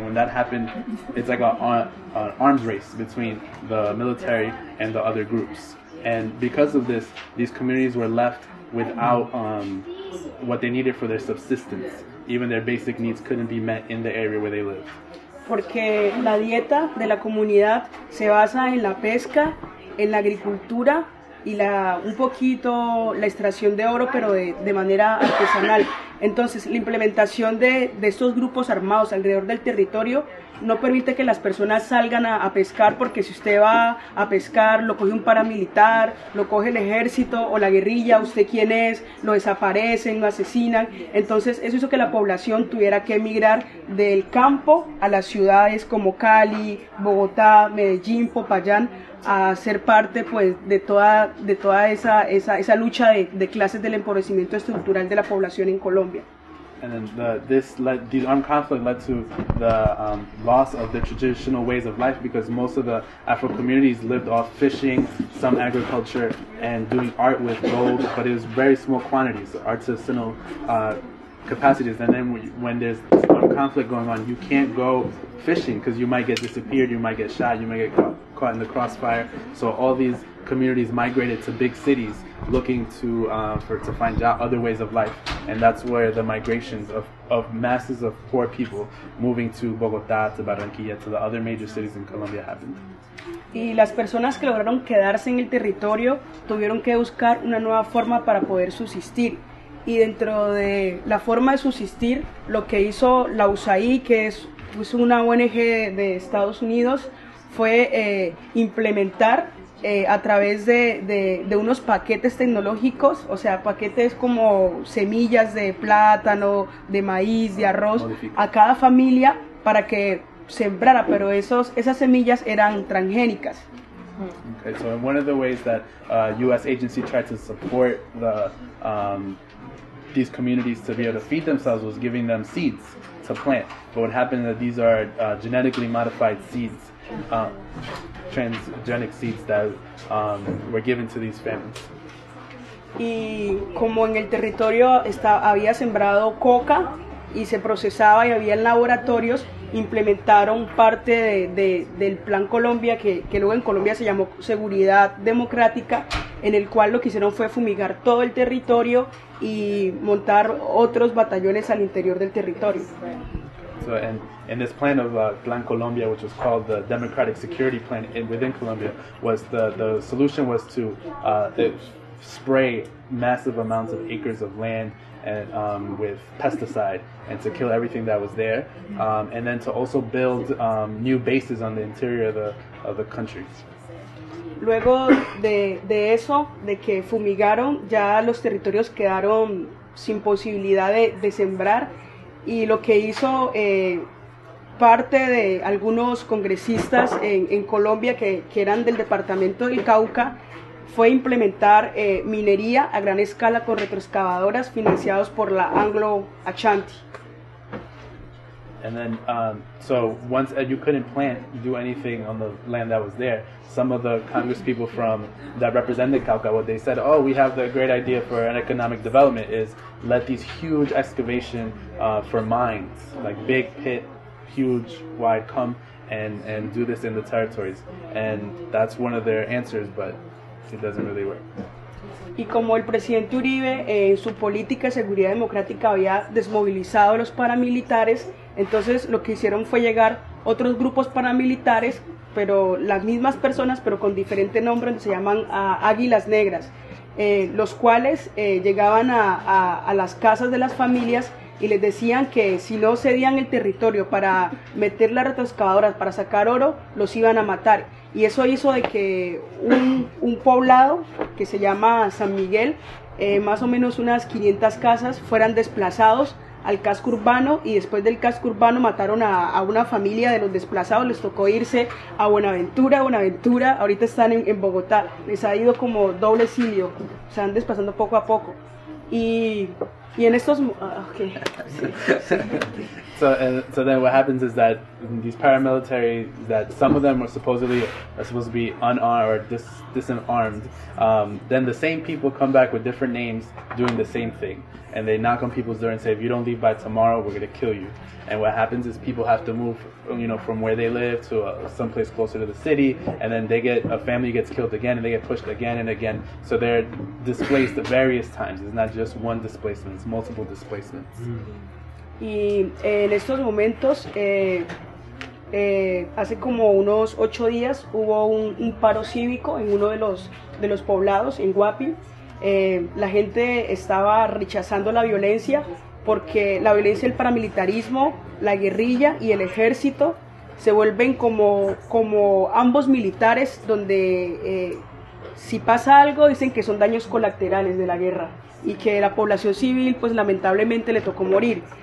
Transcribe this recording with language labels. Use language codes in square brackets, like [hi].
[en] And when that happened, it's like an arms race between the military and the other groups. And because of this, these communities were left without what they needed for their subsistence. Even their basic needs couldn't be met in the area where they live. [es] Porque la dieta de la comunidad se basa en la pesca, en la agricultura, y un poquito la extracción de oro, pero de manera artesanal. Entonces, la implementación de estos grupos armados alrededor del territorio no permite que las personas salgan a pescar, porque si usted va a pescar, lo coge un paramilitar, lo coge el ejército o la guerrilla, usted quién es, lo desaparecen, lo asesinan. Entonces, eso hizo que la población tuviera que emigrar del campo a las ciudades como Cali, Bogotá, Medellín, Popayán, a ser parte, pues, de toda esa lucha de clases del empobrecimiento estructural de la población en Colombia. [en] And then this armed conflict led to the loss of the traditional ways of life, because most of the Afro communities lived off fishing, some agriculture, and doing art with gold, but it was very small quantities, artisanal capacities. And then when there's armed conflict going on, you can't go fishing because you might get disappeared, you might get shot, you might get caught in the crossfire. So all these communities migrated to big cities looking to find other ways of life. And that's where the migrations of masses of poor people moving to Bogotá, to Barranquilla, to the other major cities in Colombia happened. [es] Y las personas que lograron quedarse en el territorio tuvieron que buscar una nueva forma para poder subsistir. y dentro de la forma de subsistir, lo que hizo la USAID, que es una ONG de Estados Unidos, fue implementar a través de unos paquetes tecnológicos, o sea, paquetes como semillas de plátano, de maíz, de arroz, a cada familia para que sembrara, pero esas semillas eran transgénicas. [en] Okay, so one of the ways that U.S. agency tried to support the these communities to be able to feed themselves was giving them seeds to plant. But what happened is that these are genetically modified seeds, transgenic seeds that were given to these families. [es] Y como en el territorio había sembrado coca y se procesaba y había laboratorios, implementaron parte del Plan Colombia, que luego en Colombia se llamó Seguridad Democrática, en el cual lo que hicieron fue fumigar todo el territorio y montar otros batallones al interior del territorio. [en] So in this plan of Plan Colombia, which was called the Democratic Security Plan within Colombia, was the solution was to spray massive amounts of acres of land and with pesticide and to kill everything that was there, and then to also build new bases on the interior of the country. [es] Luego de eso, de que fumigaron, ya los territorios quedaron sin posibilidad de sembrar, y lo que hizo parte de algunos congresistas en Colombia que eran del departamento del Cauca fue implementar minería a gran escala con retroexcavadoras financiados por la Anglo Ashanti. [en] And then, so once you couldn't plant, do anything on the land that was there, some of the congresspeople that represented Cauca, what they said, oh, we have the great idea for an economic development is let these huge excavation for mines, like big pit, huge, wide, come and do this in the territories. And that's one of their answers, but it doesn't really work. [es] Y como el presidente Uribe en su política de seguridad democrática había desmovilizado a los paramilitares, entonces lo que hicieron fue llegar otros grupos paramilitares, pero las mismas personas, pero con diferente nombre, se llaman Águilas Negras, los cuales llegaban a las casas de las familias y les decían que si no cedían el territorio para meter las retroexcavadoras para sacar oro, los iban a matar. Y eso hizo de que un poblado que se llama San Miguel, más o menos unas 500 casas, fueran desplazados al casco urbano, y después del casco urbano mataron a una familia de los desplazados, les tocó irse a Buenaventura, ahorita están en Bogotá, les ha ido como doble exilio, se van desplazando poco a poco. Y en estos... [en] So then what happens is that these paramilitary, that some of them are supposed to be unarmed or disarmed, then the same people come back with different names doing the same thing. And they knock on people's door and say, if you don't leave by tomorrow, we're going to kill you. And what happens is people have to move, you know, from where they live to someplace closer to the city. And then a family gets killed again and they get pushed again and again. So they're displaced various times. It's not just one displacement, it's multiple displacements. Mm-hmm. [es] Y en estos momentos, hace como unos 8 días, hubo un paro cívico en uno de los poblados, en Guapi. La gente estaba rechazando la violencia, porque la violencia, el paramilitarismo, la guerrilla y el ejército se vuelven como ambos militares, donde si pasa algo dicen que son daños colaterales de la guerra y que la población civil, pues lamentablemente, le tocó morir.